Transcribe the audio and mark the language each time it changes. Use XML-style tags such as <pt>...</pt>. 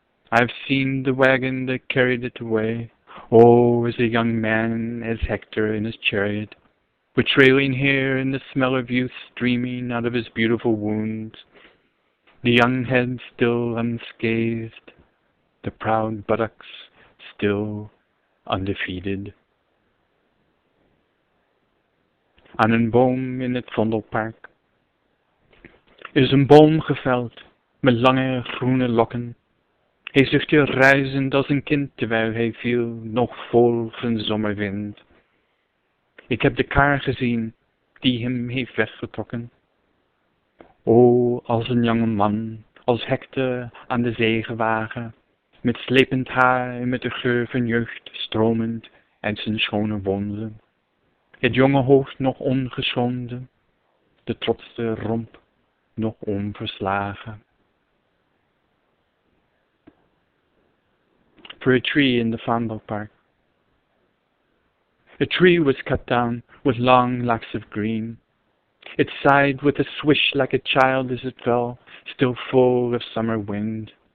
<en>I've seen the wagon that carried it away, oh, as a young man, as Hector in his chariot, with trailing hair and the smell of youth streaming out of his beautiful wounds. The young head still unscathed, the proud buttocks still undefeated.</en> <nl>Aan een boom in het Vondelpark is een boom geveld met lange groene lokken. Hij zuchtte rijzend als een kind terwijl hij viel nog vol van zomerwind. Ik heb de kar gezien die hem heeft weggetrokken. O, als een jonge man, als Hector aan de zegenwagen, met slepend haar en met de geur van jeugd stromend uit zijn schone wonden. Het jonge hoofd nog ongeschonden, de trotse romp nog onverslagen.</nl> <en>For a tree in the Vondelpark. A tree was cut down with long locks of green. It sighed with a swish like a child as it fell, still full of summer wind.</en>